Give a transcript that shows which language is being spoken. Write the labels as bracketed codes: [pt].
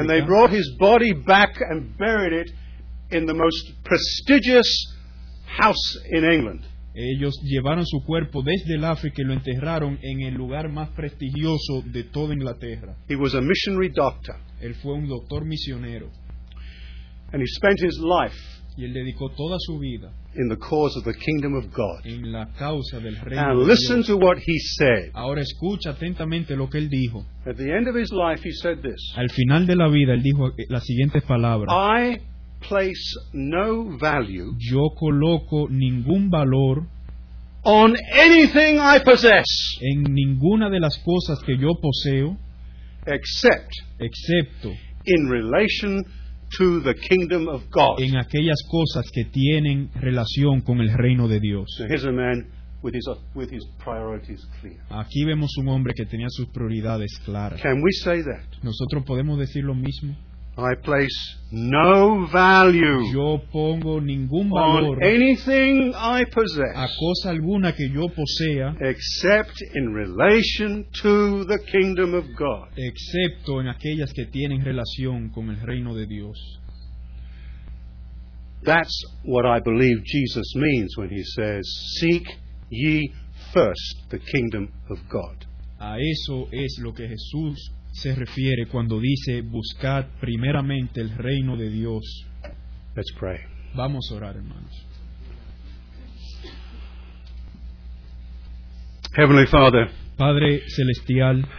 [en] And they brought his body back and buried it in the most prestigious house in England. [es] Ellos llevaron su cuerpo desde el África y lo enterraron en el lugar más prestigioso de toda Inglaterra. [en] He was a missionary doctor. [es] Él fue un doctor misionero. [en] And he spent his life. [es] Y él dedicó toda su vida [en] in the cause of the kingdom of God. [es] En la causa del reino. [en] And listen [es] de Dios. [en] To what he said. [es] Ahora escucha atentamente lo que él dijo. [en] At the end of his life, he said this. [es] Al final de la vida, él dijo las siguientes palabras. [en] I place no value. [es] Yo coloco ningún valor. [en] On anything I possess. [es] En ninguna de las cosas que yo poseo. Excepto. [en] In relation. To the kingdom of God. [es] En aquellas cosas que tienen relación con el reino de Dios. [en] So here's a man with his priorities clear. [es] Aquí vemos un hombre que tenía sus prioridades claras. [en] Can we say that? [es] ¿Nosotros podemos decir lo mismo? [en] I place no value. [es] Yo pongo ningún valor. [en] On anything I possess. [es] A cosa alguna que yo posea. [en] Except in relation to the kingdom of God. [es] Excepto en aquellas que tienen relación con el reino de Dios. [en] That's what I believe Jesus means when he says, "Seek ye first the kingdom of God." [es] A eso es lo que Jesús se refiere cuando dice buscad primeramente el reino de Dios. [en] Let's pray. [es] Vamos a orar, hermanos. [en] Heavenly Father, [es] Padre celestial,